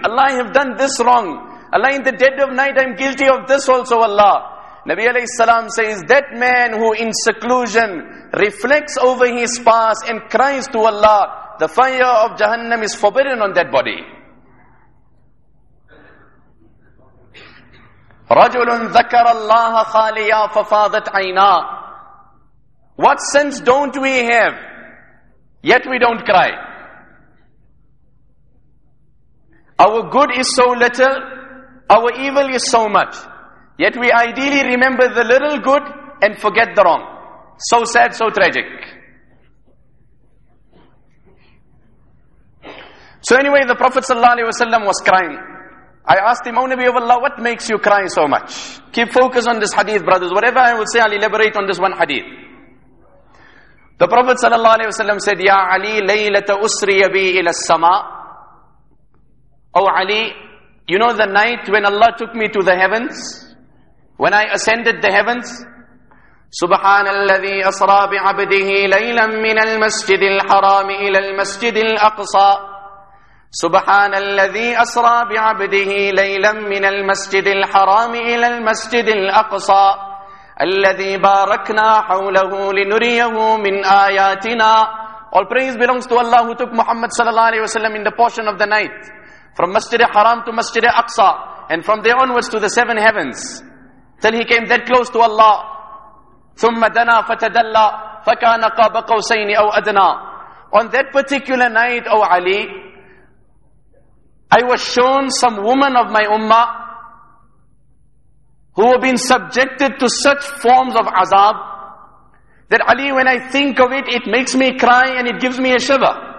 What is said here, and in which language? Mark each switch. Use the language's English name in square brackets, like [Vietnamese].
[English] Allah, I have done this wrong. Allah, in the dead of night, I'm guilty of this also, Allah. Nabi alayhi salam says, that man who in seclusion reflects over his past and cries to Allah, the fire of Jahannam is forbidden on that body. [Arabic] رَجُلٌ ذَكَرَ اللَّهَ خَالِيَا فَفَاضَتْ عَيْنَا [English] What sense don't we have? Yet we don't cry. Our good is so little, our evil is so much. Yet we ideally remember the little good and forget the wrong. So sad, so tragic. So anyway, the Prophet ﷺ was crying. I asked him, O Nabi of Allah, what makes you cry so much? Keep focus on this hadith, brothers. Whatever I will say, I'll elaborate on this one hadith. The Prophet ﷺ said, Ya Ali, [Arabic] laylata usriya bi ila sama. [English] O Ali, you know the night when Allah took me to the heavens? When I ascended the heavens, [Arabic] سُبْحَانَ الَّذِي أَصْرَى بِعَبْدِهِ لَيْلًا مِّنَ الْمَسْجِدِ الْحَرَامِ إِلَى الْمَسْجِدِ الْأَقْصَى سُبْحَانَ الَّذِي أَصْرَى بِعَبْدِهِ لَيْلًا مِّنَ الْمَسْجِدِ الْحَرَامِ إِلَى الْمَسْجِدِ الْأَقْصَى الذي باركنا حوله لنريه من آياتنا. [English] All praise belongs to Allah who took Muhammad sallallahu alayhi wa sallam in the portion of the night from Masjid al-Haram to Masjid al-Aqsa and from there onwards to the seven heavens till he came that close to Allah. [Arabic] ثم دنا فتدلى فكان قاب قوسين أو أدنى. [English] On that particular night, O Ali, I was shown some woman of my ummah who have been subjected to such forms of azab that Ali, when I think of it, it makes me cry and it gives me a shiver.